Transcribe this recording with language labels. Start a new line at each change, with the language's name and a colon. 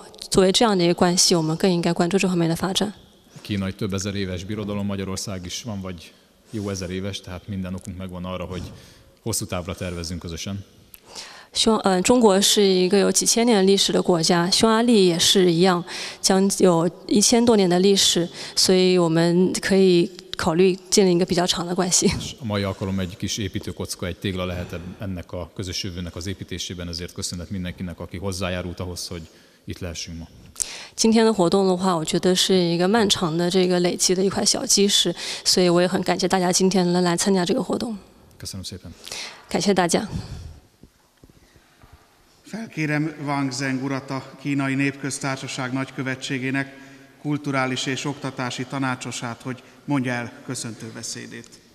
Chinese: 但是我们是想建立一个长期的关系，长期的关系不应该建立在金钱和利益上，而是更应该关注人类作为一个人类整体，我们的朋友作为这样的一个关系，我们更应该关注这方面的发展。
Hungarian: Kínai több ezer éves birodalom, Magyarország is van vagy jó ezer éves, tehát minden okunk megvan arra, hogy hosszú távra tervezzünk közösen.
Chinese: 中国是一个有几千年历史的国家，匈牙利也是一样，将有1000多年的历史，所以我们可以考虑建立一个比较长的关系。
Hungarian: A mai alkalom egy kis építőkocka, egy tégla lehet ennek a közös jövőnek az építésében, ezért köszönet mindenkinek, aki hozzájárult ahhoz, hogy itt lehessünk ma.
Chinese: 今天的活动的话，我觉得是一个漫长的这个累积的一块小基石，所以我也很感谢大家今天来参加这个活动。
Hungarian: Köszönöm szépen.
Chinese: 感谢大家。
Hungarian: Felkérem Wang Zheng urat, a Kínai Népköztársaság nagykövetségének kulturális és oktatási tanácsosát, hogy mondja el köszöntő beszédét.